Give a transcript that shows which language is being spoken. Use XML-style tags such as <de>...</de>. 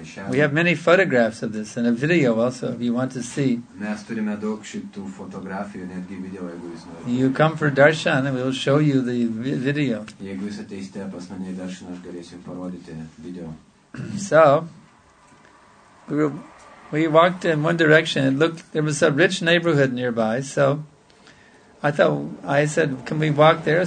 <en>We have many photographs of this and a video also if you want to see.</en> <lt>Mes turime daug šitų fotografijų, netgi video, jeigu jūs norite.</lt> <en>You come for darshan and we'll show you the video.</en> <lt>Jeigu jūs ateisite pas mane į darshan, aš galėsiu jums parodyti video.</lt> <en>So, we walked in one direction and looked, there was a rich neighborhood nearby, so I said, can we walk there?</en>